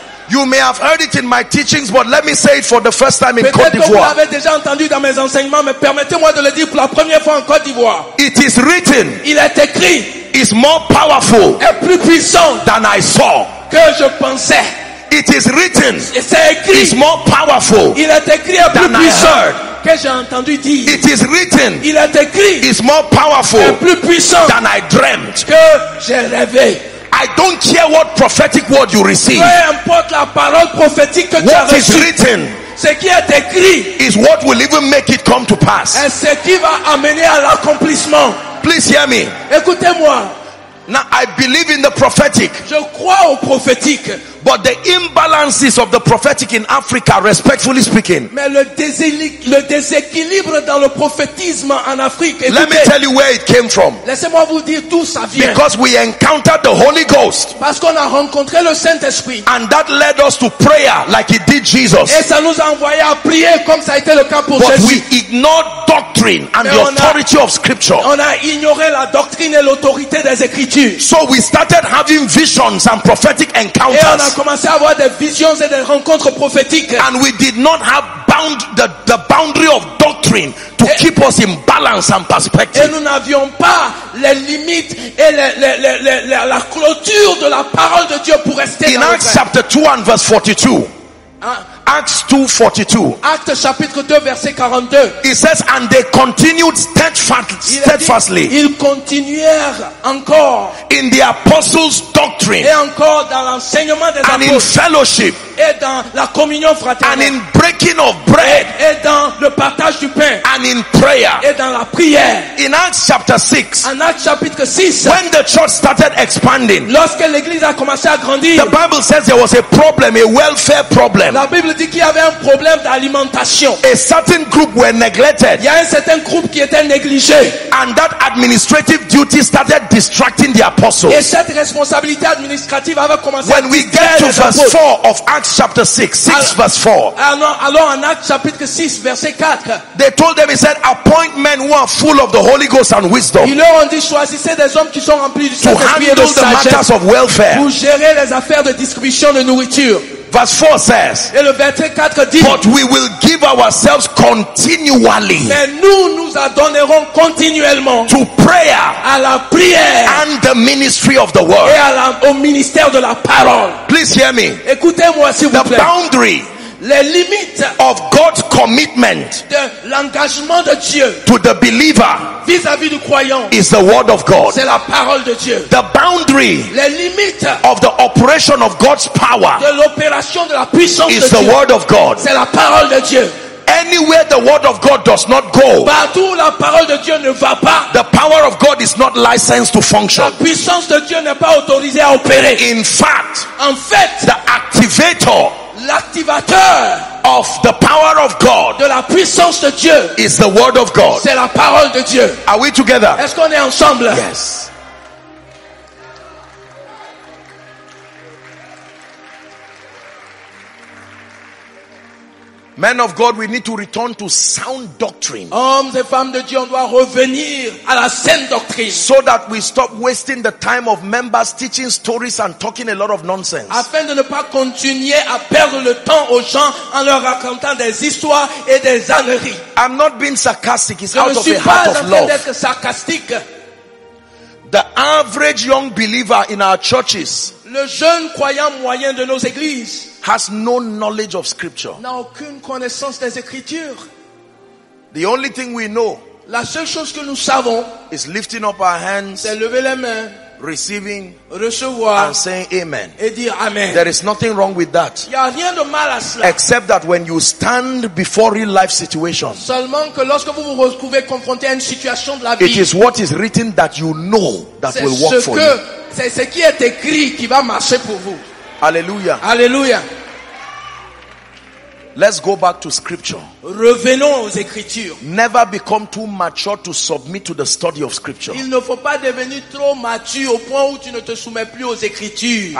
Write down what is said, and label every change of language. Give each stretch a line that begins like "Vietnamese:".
English: You may have heard it in my teachings, but let me say it for the first time in
French: peut-être Côte d'Ivoire. Vous l'avez déjà entendu dans mes enseignements, mais permettez-moi de le dire pour la première fois en Côte d'Ivoire.
English: It is written.
French: Il est écrit.
English: Is more powerful.
French: Est plus puissant
English: than I saw.
French: Que je pensais.
English: It is written.
French: C'est écrit.
English: Is more powerful.
French: Il est écrit et plus
English: than
French: puissant.
English: I heard.
French: Que j'ai entendu dire.
English: It is written.
French: Il est écrit.
English: Is more powerful.
French: Et plus puissant
English: than I dreamt.
French: Que j'ai rêvé.
English: I don't care what prophetic word you receive.
French: Peu importe la parole prophétique que
English: what
French: tu as reçue.
English: What is written?
French: Ce qui est écrit
English: is what will even make it come to pass.
French: Et ce qui va amener à l'accomplissement.
English: Please hear me.
French: Écoutez-moi.
English: Now I believe in the prophetic.
French: Je crois au prophétique.
English: But the imbalances of the prophetic in Africa, respectfully speaking.
French: Mais le déséquilibre dans le prophétisme en Afrique. Écoutez,
English: let me tell you where it came from.
French: Laissez-moi vous dire d'où ça vient.
English: Because we encountered the Holy Ghost.
French: Parce qu'on a rencontré le Saint-Esprit.
English: And that led us to prayer like it did Jesus.
French: Et ça nous a envoyé à prier comme ça a été le cas pour
English: but
French: Jésus.
English: But we ignored doctrine and
French: mais
English: the authority of Scripture.
French: On a ignoré la doctrine et l'autorité des Écritures.
English: So we started having visions and prophetic encounters.
French: On a commencé à avoir des visions et des rencontres prophétiques.
English: And we did not have bound the boundary of doctrine to et, keep us in balance and perspective.
French: Et nous n'avions pas les limites et la clôture de la parole de Dieu pour rester
English: in Acts chapter 2 and verse 42.
French: Acts chapitre 2 verset 42.
English: It says and they continued steadfastly.
French: Ils continuèrent encore
English: in the apostles' doctrine.
French: Et encore dans l'enseignement des apôtres.
English: And in fellowship.
French: Et dans la communion fraternelle.
English: And in breaking of bread.
French: Et dans le partage du pain.
English: And in prayer.
French: Et dans la prière.
English: In Acts chapter 6.
French: En Acts chapitre 6.
English: When the church started expanding.
French: Lorsque l'église a commencé à grandir.
English: The Bible says there was a problem, a welfare problem.
French: La Bible dit qu'il y avait un problème d'alimentation.
English: A certain group were neglected.
French: Il y a un certain groupe qui était négligé.
English: And that administrative duty started distracting the apostles.
French: Et cette responsabilité administrative avait commencé
English: when
French: à
English: when we get to verse 4 of Acts chapter 6 verse 4.
French: Alors en Acts chapitre 6 verset 4.
English: They told them, he said, appoint men who are full of the Holy Ghost and wisdom.
French: Ils leur ont dit, choisissez des hommes qui sont remplis du Saint-Esprit et de sagesse.
English: To handle the matters of welfare.
French: Pour gérer les affaires de distribution de nourriture.
English: Verse 4 says,
French: et le verset 4 dit,
English: but we will give ourselves continually
French: mais nous adonnerons continuellement
English: to prayer
French: à la prière
English: and the ministry of the word.
French: Et au ministère de la parole.
English: Please hear me.
French: Écoutez-moi, s'il vous plaît.
English: The boundary
French: les limites
English: of God's commitment
French: de l'engagement de Dieu
English: to the believer
French: vis-à-vis du croyant
English: is the word of God.
French: C'est la parole de Dieu.
English: The boundary
French: les limites
English: of the operation of God's power
French: de l'opération de la puissance
English: is
French: de
English: the
French: Dieu
English: word of God.
French: C'est la parole de Dieu.
English: Anywhere the word of God does not go,
French: partout la parole de Dieu ne va pas,
English: the power of God is not licensed to function.
French: La puissance de Dieu n'est pas autorisée à opérer.
English: In fact,
French: en fait,
English: the activator
French: l'activateur
English: of the power of God
French: de la puissance de Dieu
English: is the word of God.
French: C'est la parole de Dieu.
English: Are we together?
French: Est-ce qu'on est ensemble?
English: Yes. Men of God, we need to return to sound doctrine.
French: Hommes et femmes de Dieu, on doit revenir à la saine doctrine.
English: So that we stop wasting the time of members teaching stories and talking a lot of nonsense.
French: Afin de ne pas continuer à perdre le temps aux gens en leur racontant des histoires et des âneries.
English: I'm not being sarcastic. It's
French: je
English: out
French: ne
English: of
French: suis
English: a
French: pas
English: heart of love.
French: D'être sarcastique.
English: The average young believer in our churches.
French: Le jeune croyant moyen de nos églises.
English: Has no knowledge of scripture.
French: N'a aucune connaissance des écritures.
English: The only thing we know.
French: La seule chose que nous savons.
English: Is lifting up our hands.
French: C'est lever les mains.
English: Receiving.
French: Recevoir.
English: And saying amen.
French: Et dire amen.
English: There is nothing wrong with that.
French: Y a rien de mal à cela.
English: Except that when you stand before real life situations.
French: Seulement que lorsque vous vous retrouvez confronté à une situation de la vie.
English: It is what is written that you know that will work for you.
French: C'est ce qui est écrit qui va marcher pour vous.
English: Hallelujah.
French: Hallelujah.
English: Let's go back to scripture.
French: Revenons aux écritures.
English: Never become too mature to submit to the study of scripture.
French: Il ne faut pas devenir trop mature au point où tu ne te soumets plus aux écritures.